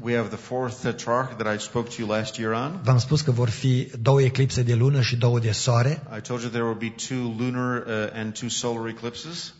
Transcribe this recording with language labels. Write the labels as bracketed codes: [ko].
[en] We have the fourth tetrarch that I spoke to you last year on. [ro] V-am spus că vor fi două eclipse de lună și două de soare. [en] I told you there will be two lunar and two solar eclipses.